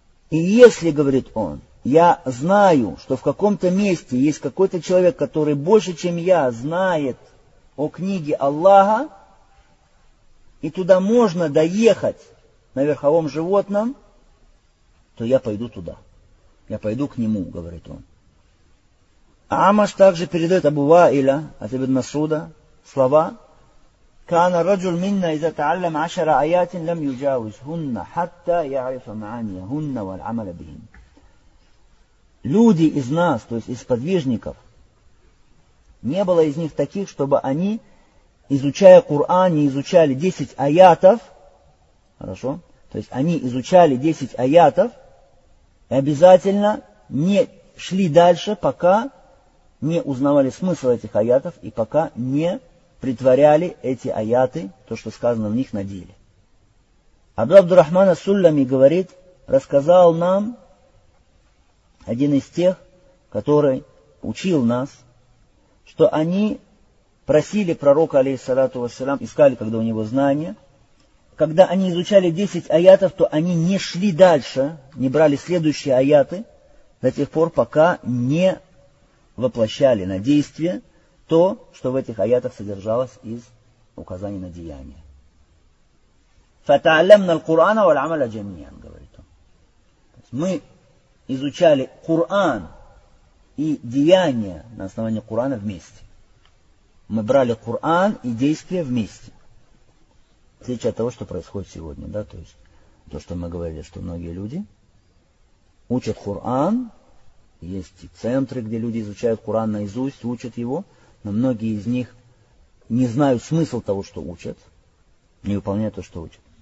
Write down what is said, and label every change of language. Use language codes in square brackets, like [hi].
[ru] И если, говорит он, я знаю, что в каком-то месте есть какой-то человек, который больше, чем я, знает о книге Аллаха, и туда можно доехать на верховом животном, то я пойду туда. Я пойду к нему, говорит он. Амаш также передает Абу Ваиля, от Ибн Масуда, слова. [ar] كان رجل منا إذا تعلم عشر آيات لم يجاوزهن حتى يعرف معانيهن والعمل بهن. [ru] Люди из нас, то есть из подвижников, не было из них таких, чтобы они, изучая Коран, не изучали 10 аятов, хорошо? То есть они изучали 10 аятов и обязательно не шли дальше, пока не узнавали смысл этих аятов и пока не притворяли эти аяты, то, что сказано в них, на деле. Абдул-Абдур-Рахман ас-Сулями говорит, рассказал нам один из тех, который учил нас, что они просили пророка, алейхиссалату вассалям, искали, когда у него знания. Когда они изучали 10 аятов, то они не шли дальше, не брали следующие аяты до тех пор, пока не воплощали на действие то, что в этих аятах содержалось из указаний на деяния. [ar] فَتَعَلَّمْنَا الْقُرْآنَ وَالْعَمَلَ جَمْنِيًا, [ru] говорит он. Мы изучали Коран и деяния на основании Корана вместе. Мы брали Коран и действия вместе. В отличие от того, что происходит сегодня, да, то есть то, что мы говорили, что многие люди учат Коран, есть и центры, где люди изучают Коран наизусть, учат его, но многие из них не знают смысл того, что учат, не выполняют то, что учат.